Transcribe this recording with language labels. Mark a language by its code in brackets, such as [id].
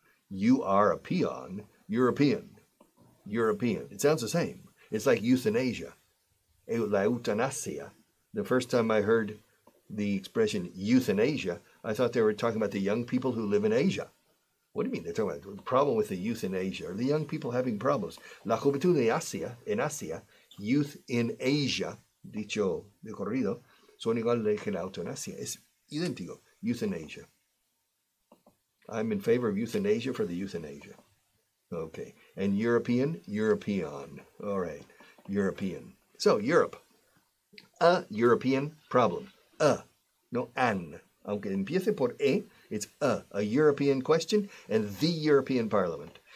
[en] You are a peon. European. European. It sounds the same. It's like euthanasia. La eutanasia. The first time I heard the expression euthanasia, I thought they were talking about the young people who live in Asia. What do you mean they're talking about the problem with the youth in Asia? Are the young people having problems? [es] La juventud de Asia, en Asia, [en] youth in Asia, [es] dicho de corrido, son igual que el auto en Asia. Es idéntico, euthanasia. [en] I'm in favor of euthanasia for the youth in Asia. Okay. And European, European. All right. European. So, Europe. A European problem. A, no an. [es] Aunque empiece por E, [en] it's a European question and the European Parliament.